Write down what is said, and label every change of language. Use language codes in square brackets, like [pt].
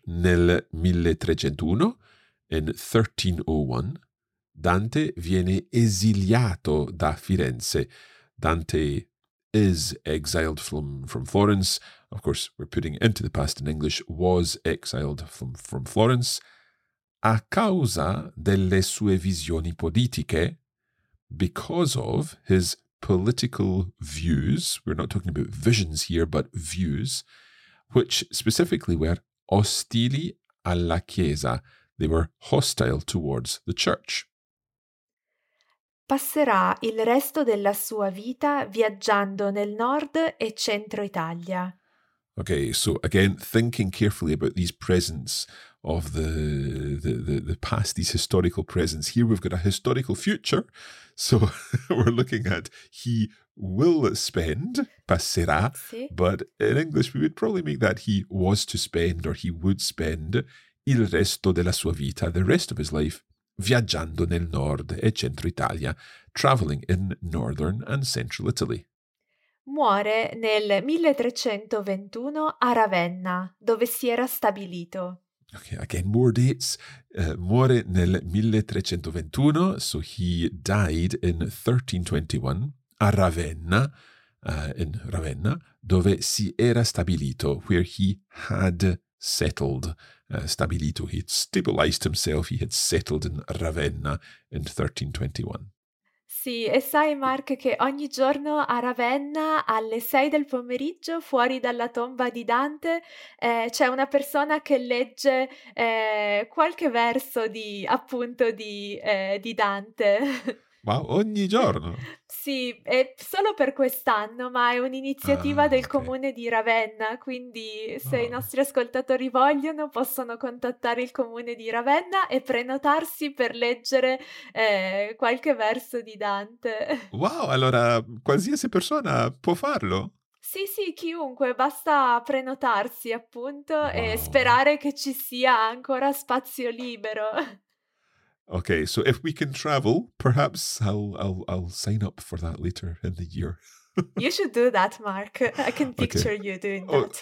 [it] Nel 1301, [en] in 1301, [it] Dante viene esiliato da Firenze. [en] Dante is exiled from Florence. Of course, we're putting it into the past in English, was exiled from Florence. [it] A causa delle sue visioni politiche, [en] because of his political views, we're not talking about visions here, but views, which specifically were [it] ostili alla Chiesa. [en] They were hostile towards the church. [it] Passerà il resto della sua vita viaggiando nel nord e centro Italia. [en] Okay, so again, thinking carefully about these presents of the past, these historical presents. Here we've got a historical future, so we're looking at he will spend, passerà, [it] sì. [en] But in English we would probably make that he was to spend or he would spend [it] il resto della sua vita, [en] the rest of his life, [it] viaggiando nel nord e centro Italia, [en] traveling in northern and central Italy. [it] Muore nel 1321 a Ravenna, dove si era stabilito. [en] Okay, again, more dates. [it] Muore nel 1321, [en] so he died in 1321, [it] a Ravenna, [en] in Ravenna, [it] dove si era stabilito, [en] where he had settled. Stabilito, he had stabilized himself, he had settled in Ravenna in 1321. [it] Sì, e sai Mark che ogni giorno a Ravenna alle 6 del pomeriggio fuori dalla tomba di Dante c'è una persona che legge qualche verso di appunto di Dante. Ma ogni giorno? Sì, è solo per quest'anno, ma è un'iniziativa del comune di Ravenna, quindi se i nostri ascoltatori vogliono possono contattare il comune di Ravenna e prenotarsi per leggere qualche verso di Dante. Wow, allora qualsiasi persona può farlo? Sì, sì, chiunque, basta prenotarsi appunto e sperare che ci sia ancora spazio libero. [en] Okay, so if we can travel, perhaps I'll sign up for that later in the year. You should do that, Mark. I can picture you doing that.